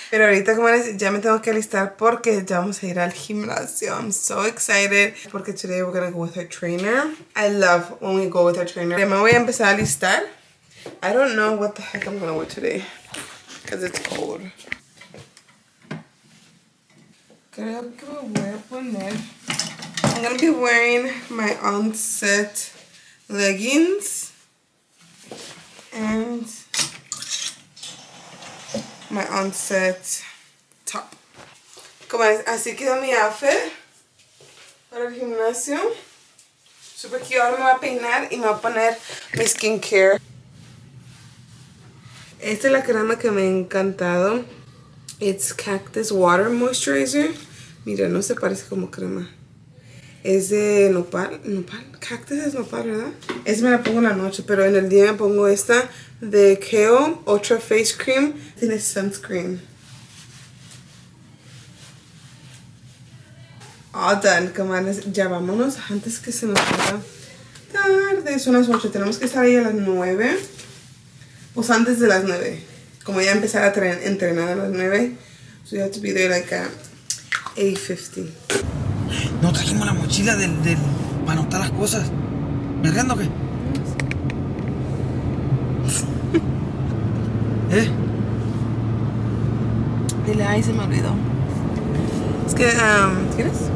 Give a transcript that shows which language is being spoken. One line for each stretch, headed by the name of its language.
Spanish: Pero ahorita, comadres, ya me tengo que alistar porque ya vamos a ir al gimnasio.
English: I'm so excited porque today we're gonna go with our trainer. I love when we go with our trainer.
Spanish: Me voy a empezar a alistar.
English: I don't know what the heck I'm gonna wear today because it's cold.
Spanish: Creo que me voy a poner.
English: I'm gonna be wearing my Onset leggings and my Onset top.
Spanish: Como es, así quedó mi outfit para el gimnasio.
English: Super cute.
Spanish: Ahora me voy a peinar y me voy a poner mi skincare. Esta es la crema que me ha encantado. It's Cactus Water Moisturizer. Mira, no se parece como crema. Es de nopal. ¿Nopal? Cactus es nopal, ¿verdad? Esa me la pongo en la noche, pero en el día me pongo esta de Kale Ultra Face Cream. Tiene sunscreen.
English: All done,
Spanish: comadres. Ya vámonos antes que se nos haga tarde. Son las 8. Tenemos que estar ahí a las 9. Pues antes de las 9. Como ya empezar a entrenar a las 9.
English: So you have to be there like at 8:15.
Spanish: No trajimos la mochila del para anotar las cosas. ¿Me rendo o qué? Sí. ¿Eh? Dile, ay, se me olvidó. Es que, ¿quieres?